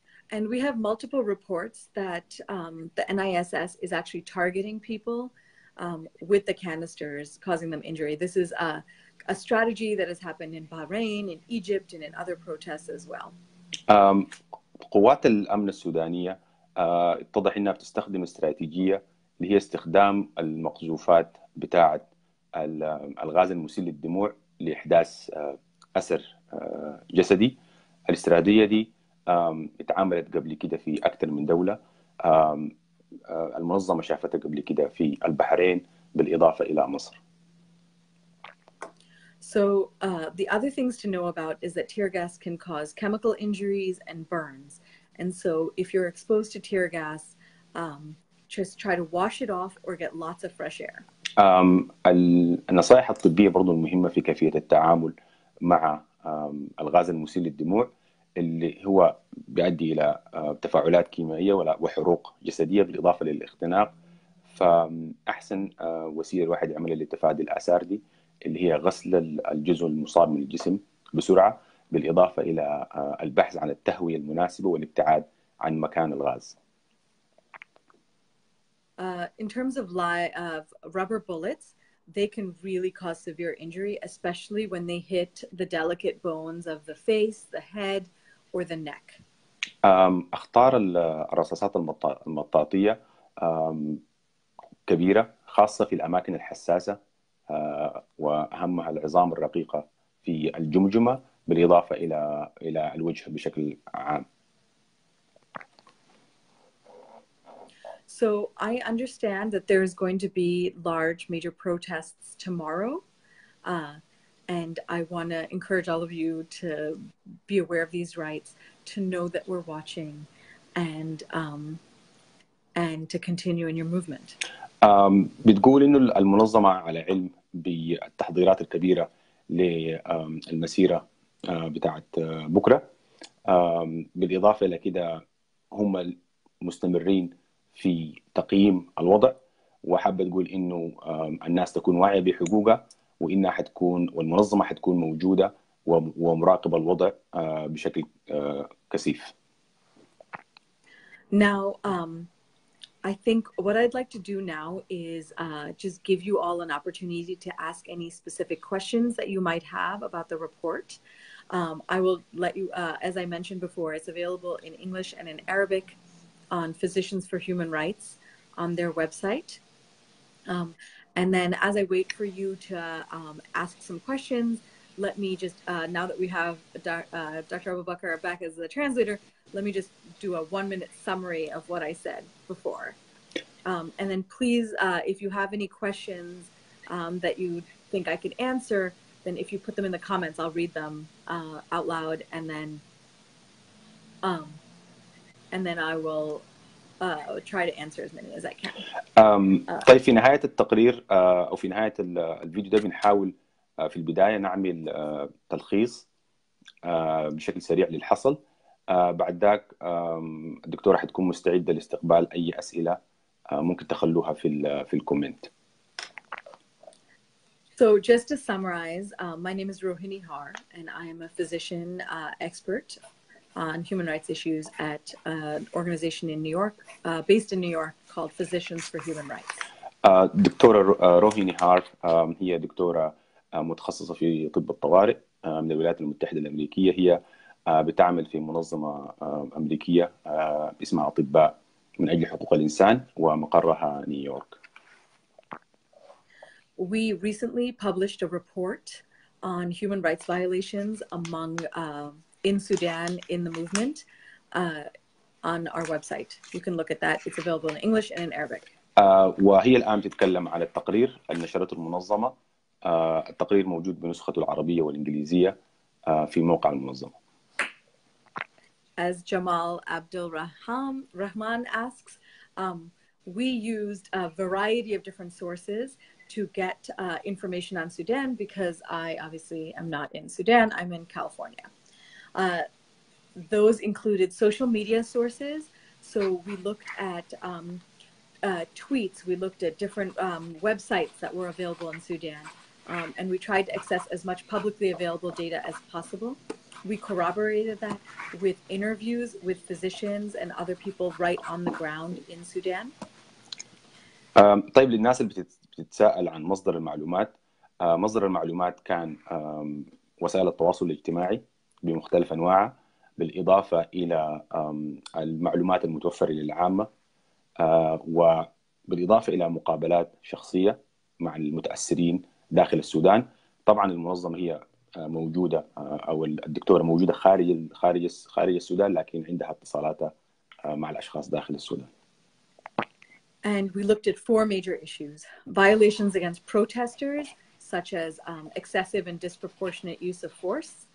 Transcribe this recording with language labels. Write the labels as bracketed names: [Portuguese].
[English] And we have multiple reports that the NISS is actually targeting people with the canisters, causing them injury. This is a strategy that has happened in Bahrain, in Egypt, and in other protests as well. [Arabic] قوات الأمن السودانية اتضح إنها بتستخدم استراتيجية اللي هي استخدام المقذوفات بتاعة الغاز المسيل للدموع لإحداث أسر جسدي. الاستراتيجية دي اتعاملت قبل كده في أكثر من دولة، المنظمة شافتها قبل كده في البحرين بالإضافة إلى مصر. [English] So the other things to know about is that tear gas can cause chemical injuries and burns. And so if you're exposed to tear gas, just try to wash it off or get lots of fresh air. [Arabic] النصائح الطبية برضو المهمة في كيفية التعامل مع الغاز المسيل للدموع، اللي هو بيؤدي إلى تفاعلات كيميائية وحروق جسدية بالإضافة للاختناق. فأحسن وسيلة الواحد يعملها لتفادي الآثار دي اللي هي غسل الجزء المصاب من الجسم بسرعة، بالإضافة إلى البحث عن التهوية المناسبة والابتعاد عن مكان الغاز. [English] In terms of rubber bullets, they can really cause severe injury, especially when they hit the delicate bones of the face, the head, or the neck. [Arabic] أخطار الرصاصات المطاطية كبيرة، خاصة في الأماكن الحساسة وأهمها العظام الرقيقة في الجمجمة، بالإضافة إلى الوجه بشكل عام. [English] So I understand that there is going to be large major protests tomorrow. And I want to encourage all of you to be aware of these rights, to know that we're watching, and to continue in your movement. [Arabic] بتقول إنه المنظمة على علم بالتحضيرات الكبيرة للمسيرة بتاعت بكرة، بالإضافة إلى كده هم مستمرين في تقييم الوضع، وحابة تقول إنه الناس تكون واعية بحقوقها، وإنها حتكون والمنظمة حتكون موجودة ومراقبة الوضع بشكل كثيف. [English] Now, I think what I'd like to do now is just give you all an opportunity to ask any specific questions that you might have about the report. I will let you, as I mentioned before, it's available in English and in Arabic on Physicians for Human Rights on their website. And then as I wait for you to ask some questions, let me just, now that we have Dr. Abu Bakr back as the translator, let me just do a 1 minute summary of what I said before. And then please, if you have any questions that you think I could answer, then if you put them in the comments, I'll read them out loud, and then I will try to answer as many as I can. [Arabic] طيب في نهاية التقرير أو في نهاية الفيديو ده بنحاول في البداية نعمل تلخيص بشكل سريع للحصل. بعد ذاك الدكتورة حتكون مستعدة لاستقبال أي أسئلة ممكن تخلوها في الكومنت. [English] So just to summarize, my name is Rohini Har, and I am a physician expert on human rights issues at an organization in New York, based in New York, called Physicians for Human Rights. [Arabic] دكتورة روهي نهار هي دكتورة متخصصة في طب الطوارئ من الولايات المتحدة الأمريكية. هي بتعمل في منظمة أمريكية اسمها أطباء من أجل حقوق الإنسان ومقرها نيويورك. [English] We recently published a report on human rights violations among in Sudan in the movement on our website. You can look at that. It's available in English and in Arabic. [Arabic] وهي الآن تتكلم عن التقرير اللي نشرته المنظمة. التقرير موجود بنسخته العربية والإنجليزية في موقع المنظمة. [English] As Jamal Abdulrahman asks, we used a variety of different sources to get information on Sudan because I obviously am not in Sudan, I'm in California. Those included social media sources. So we looked at tweets, we looked at different websites that were available in Sudan, and we tried to access as much publicly available data as possible. We corroborated that with interviews with physicians and other people right on the ground in Sudan. [Arabic] طيب للناس اللي بتتساءل عن مصدر المعلومات, مصدر المعلومات كان وسائل التواصل الاجتماعي بمختلف أنواعه, بالإضافة إلى المعلومات المتوفرة للعامة, وبالإضافة إلى مقابلات شخصية مع المتأثرين داخل السودان. طبعاً المنظمة هي موجودة أو الدكتورة موجودة خارج السودان, لكن عندها اتصالاتها مع الأشخاص داخل السودان. [English] And we looked at four major issues. Violations against protesters, such as excessive and disproportionate use of force.